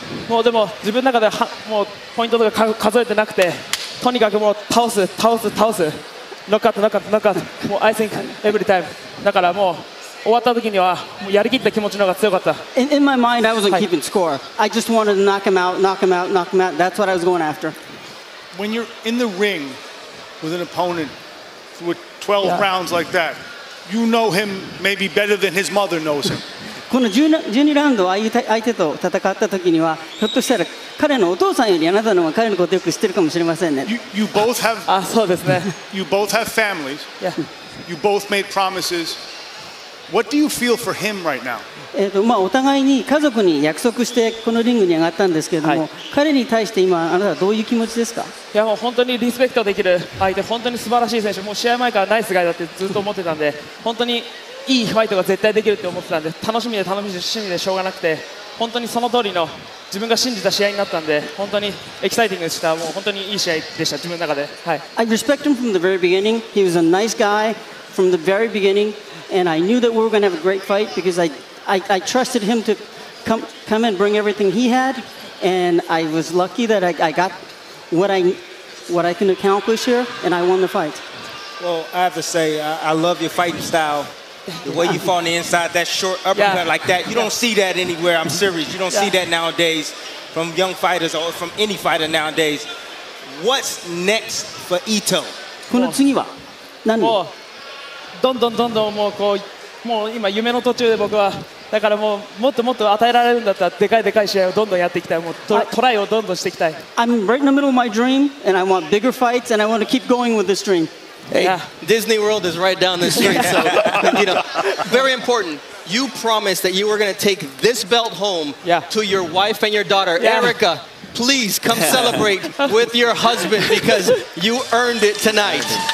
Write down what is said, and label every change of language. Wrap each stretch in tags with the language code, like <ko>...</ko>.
<ja>もうでも自分の中ではもうポイントとか数えてなくてとにかくもう倒す倒す倒すノックアウトノックアウトノックアウトもう</ja> <en>I think every time</en> <ja>だからもう終わった時にはもうやりきった気持ちの方が強かった</ja> <en>in my mind I wasn't keeping score I just wanted to knock him out that's what I was going after when you're in the ring with an opponent with 12 rounds like that you know him maybe better than his mother knows him</en> <ja>この12ラウンド相手と戦った時にはひょっとしたら彼のお父さんよりあなたの方が彼のことをよく知ってるかもしれませんね。</ja> <en>You both have</en> <ja>そうですね。</ja> <en>You both have families. Yeah. You both made promises. What do you feel for him right now?</en> <ja>お互いに家族に約束してこのリングに上がったんですけれども、彼に対して今あなたはどういう気持ちですか？いやもう本当にリスペクトできる相手、本当に素晴らしい選手、もう試合前からナイスガイだってずっと思ってたんで、本当にいいファイトが絶対できるって思ってたんで、楽しみで楽しみでしょうがなくて、本当にその通りの自分が信じた試合になったんで、本当にエキサイティングでした。もう本当にいい試合でした、自分の中で。はい。</ja> <en>I respect him from the very beginning. He was a nice guy from the very beginning. And I knew that we were going to have a great fight because I trusted him to come and bring everything he had. And I was lucky that I got what I can accomplish here, and I won the fight. Well, I have to say, I love your fighting style. The way you fall on the inside, that short uppercut like that, you don't see that anywhere. I'm serious. You don't see that nowadays from young fighters or from any fighter nowadays. What's next for Ito?</en> <ja>この次は何？もうどんどんどんどんもうこうもう今夢の途中で僕はだからもうもっともっと与えられるんだったらでかいでかい試合をどんどんやっていきたい。もうトライをどんどんしていきたい。</ja> <en>I'm right in the middle of my dream, and I want bigger fights, and I want to keep going with this dream. Hey, yeah. Disney World is right down the street, so, you know, very important. You promised that you were going to take this belt home to your wife and your daughter. Yeah. Erica, please come celebrate with your husband because you earned it tonight.</en>